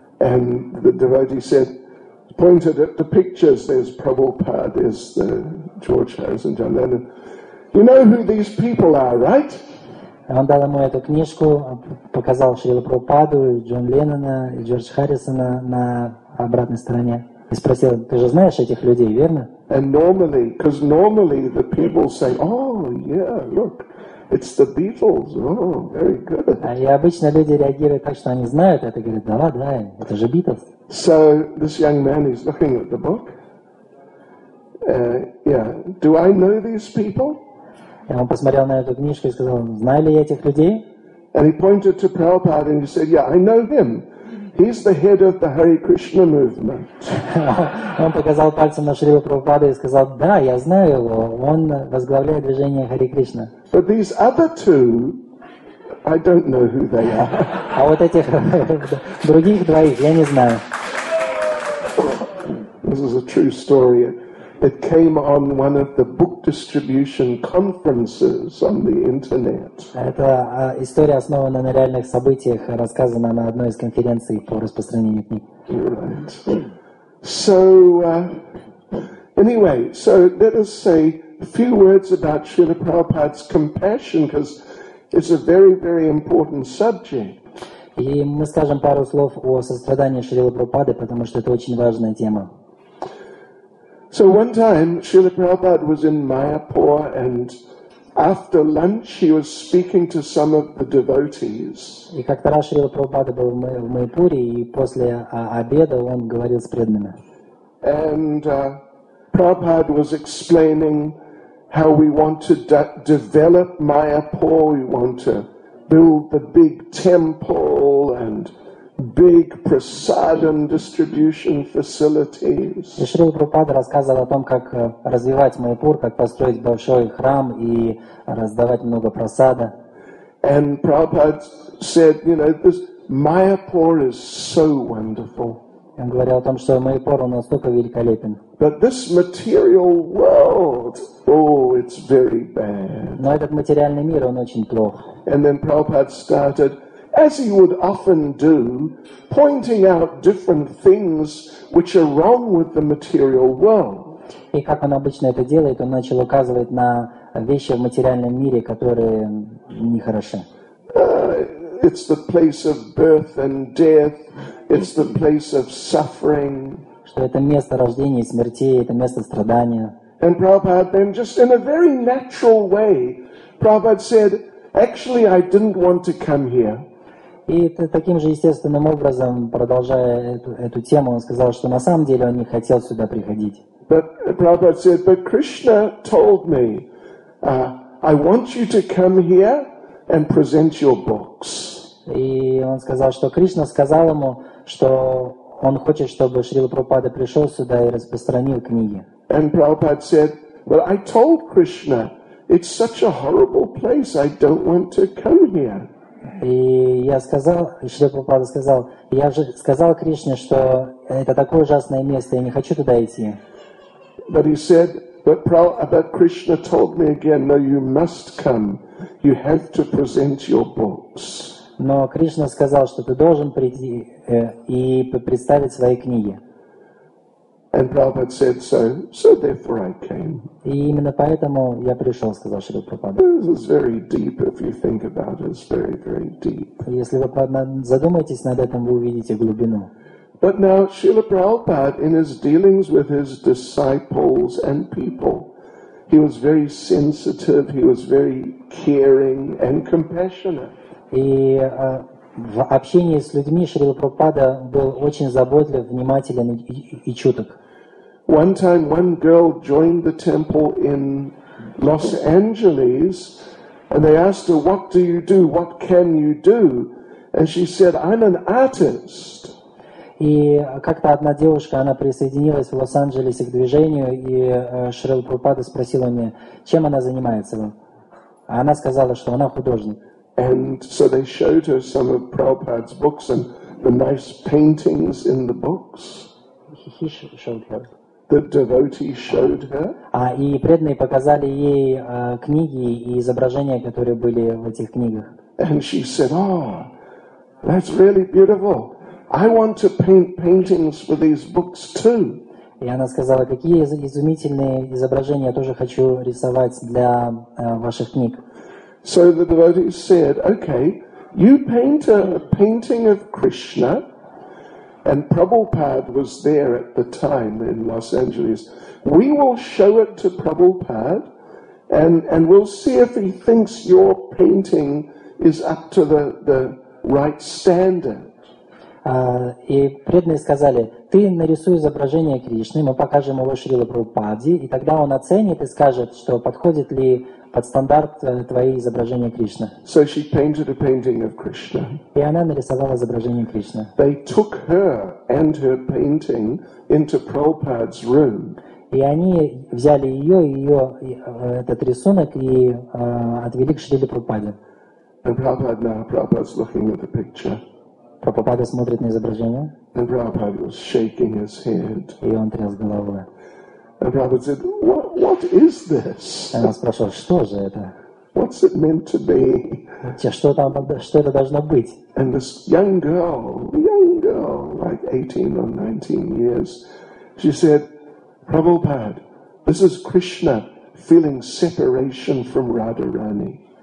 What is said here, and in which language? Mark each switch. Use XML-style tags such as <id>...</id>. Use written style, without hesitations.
<en>And the devotee said, pointed at the pictures, there's Prabhupada, there's the George Harrison, John Lennon. You know who these people are, right?</en> <ru>Он дал ему эту книжку, показал Шрилу Прабхупаду, Джон Леннона и Джордж Харрисона на обратной стороне. И спросил, ты же знаешь этих людей, верно?</ru> <en>And normally, because normally the people say, oh, yeah, look, it's the Beatles, oh, very good.</en> <ru>И обычно люди реагируют так, что они знают это, говорят, да ладно, да, это же Beatles.</ru> <en>So this young man is looking at the book. Yeah, do I know these people?</en> <ru>И он посмотрел на эту книжку и сказал, знаю ли я этих людей?</ru> <en>And he pointed to Prabhupada and he said, yeah, I know him. He's the head of the Hare Krishna movement.</en> <ru>Он показал пальцем на Шрилу Прабхупаду и сказал, да, я знаю его, он возглавляет движение Hare Krishna.</ru> <en>But these other two, I don't know who they are.</en> <ru>А вот этих других двоих я не знаю.</ru> <en>This is a true story. It came on one of the book distribution conferences on the internet.</en> <ru>Это история, основанная на реальных событиях, рассказана на одной из конференций по распространению книг.</ru> <en>Right. So, anyway, so let us say a few words about Srila Prabhupada's compassion, because it's a very, very important subject.</en> <ru>И мы скажем пару слов о сострадании Шрилы Прабхупады, потому что это очень важная тема.</ru> <en>So one time Srila Prabhupada was in Mayapur and after lunch he was speaking to some of the devotees.</en> <ru>И как-то раз Шрила Прабхупада был в Майпуре и после обеда он говорил с преданными.</ru> <en>And Prabhupada was explaining how we want to develop Mayapur, we want to build the big temple and big prasadam distribution facilities.</en> <ru>И Шрила Прабхупада рассказывал о том, как развивать Майпур, как построить большой храм и раздавать много прасада.</ru> <en>And Prabhupada said, you know, this Mayapur is so wonderful.</en> <ru>Он говорил о том, что Майпур настолько великолепен.</ru> <en>But this material world, oh, it's very bad.</en> <ru>Но этот материальный мир, он очень плох.</ru> <en>And then Prabhupada started, as he would often do, pointing out different things which are wrong with the material world.</en> <ru>И как он обычно это делает, он начал указывать на вещи в материальном мире, которые нехороши.</ru> <en>It's the place of birth and death. It's the place of suffering.</en> <ru>Что это место рождения и смерти, это место страдания.</ru> <en>And Prabhupada then, just in a very natural way, Prabhupada said, actually, I didn't want to come here.</en> <ru>И таким же естественным образом, продолжая эту тему, он сказал, что на самом деле он не хотел сюда приходить.</ru> <en>But Prabhupada said, but Krishna told me, I want you to come here and present your books.</en> <ru>И он сказал, что Кришна сказал ему, что он хочет, чтобы Шрила Прабхупада пришел сюда и распространил книги.</ru> <en>And Prabhupada said, well, I told Krishna, it's such a horrible place, I don't want to come here.</en> <ru>И я сказал, Шрила Прабхупада сказал, я же сказал Кришне, что это такое ужасное место, я не хочу туда идти.</ru> <en>But he said, but Krishna told me again, no, you must come, you have to present your books.</en> <ru>Но Кришна сказал, что ты должен прийти и представить свои книги.</ru> <en>And Prabhupada said so, so therefore I came.</en> <ru>И именно поэтому я пришел, сказал Шрила Прабхупада.</ru> <en>This is very deep, if you think about it, it's very, very deep.</en> <ru>Если вы задумаетесь над этим, вы увидите глубину.</ru> <en>But now Srila Prabhupada, in his dealings with his disciples and people, he was very sensitive, he was very caring and compassionate.</en> <ru>И в общении с людьми Шрила Прабхупада был очень заботлив, внимателен и чуток.</ru> <en>One time one girl joined the temple in Los Angeles And they asked her, what do you do? What can you do? And she said, I'm an artist.</en> <ru>И как-то одна девушка, она присоединилась в Лос-Анджелесе к движению, и Шрила Прабхупада спросила меня, чем она занимается. А она сказала, что она художник.</ru> <en>And so they showed her some of Prabhupada's books and the nice paintings in the books. He showed her. The devotee showed her.</en> <ru>И преданные показали ей книги и изображения, которые были в этих книгах.</ru> <en>And she said, oh, that's really beautiful. I want to paint paintings for these books too.</en> <ru>И она сказала, какие изумительные изображения я тоже хочу рисовать для ваших книг.</ru> <en>So the devotee said, okay, you paint a painting of Krishna. And Prabhupada was there at the time in Los Angeles. We will show it to Prabhupada and we'll see if he thinks your painting is up to the right standard.</en> <ru>И преданные сказали, ты нарисуй изображение Кришны, мы покажем его Шриле Прабхупаде, и тогда он оценит и скажет, что подходит ли под стандарт твои изображения Кришны.</ru> <en>So she painted a painting of Krishna.</en> <ru>И она нарисовала изображение Кришны.</ru> <en>They took her and her painting into Prabhupada's room.</en> <ru>И они взяли ее и ее этот рисунок и отвели к Шриле Прабхупаде.</ru> <en>And Prabhupada, now Prabhupada's looking at the picture.</en> <ru>Прабхупада смотрит на изображение.</ru> <en>And Prabhupada was shaking his head.</en> <ru>И он тряс головой.</ru> <en>And Prabhupada said, what is this?</en> <ru>И он спрашивал, что же это?</ru> <en>What's it meant to be?</en> <ru>Что там, что это должно быть?</ru> <en>And this young girl, like 18 or 19 years, she said, Prabhupada, this is Krishna feeling separation from Radharani.</en>